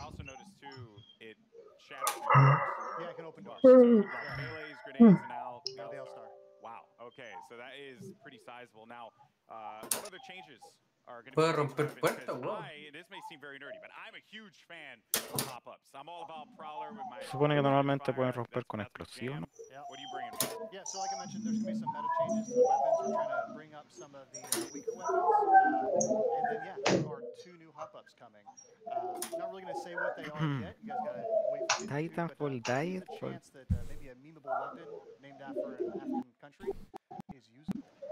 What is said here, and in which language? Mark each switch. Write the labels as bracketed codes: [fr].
[en] I also noticed too, it shatters. Yeah, it can open doors. So melees, grenades, and now the L-Star. Wow. Okay, so that is pretty sizable. Now, what other changes? [es] Puedo romper puertas, bro. [en] This may seem very nerdy, but I'm a huge fan of pop-ups. I'm all about Prowler with my... [es] Supone que normalmente pueden romper con explosivo, ¿no? [en] What are you bringing? Yeah, so like I mentioned, there's going to be some meta changes to the weapons. We're trying to bring up some of the weaker weapons. And then, yeah, there are two new hop-ups coming. Not really going to say what they are yet. You guys got to wait for the Titanfall Dive. The chance that maybe a memeable weapon named after an African country is usable.